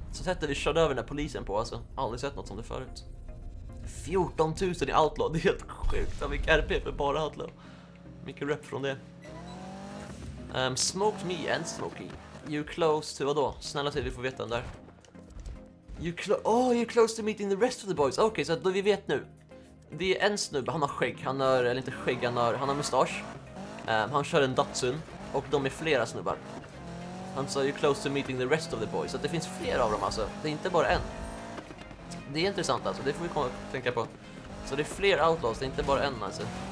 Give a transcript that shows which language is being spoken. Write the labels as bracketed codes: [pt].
[sv] Så sättet vi körde över den där polisen på alltså. Aldrig sett något som det förut. 14 000 i Outlaw. Det är helt sjukt. Vad mycket RP för bara Outlaw. Mycket rep från det. [en] Smoked me and smoky. You close to [sv] vadå? Snälla till vi får veta den där. [en] You close to meeting the rest of the boys. [sv] Okej, så då vi vet nu. Det är en snubbe, han har skägg, han har, eller inte skägg, han har mustasch. Han kör en Datsun. Och de är flera snubbar. Han sa [en] you close to meeting the rest of the boys. [sv] Så att det finns flera av dem alltså, det är inte bara en. Det är intressant alltså, det får vi komma och tänka på. Så det är fler outlaws, det är inte bara en alltså.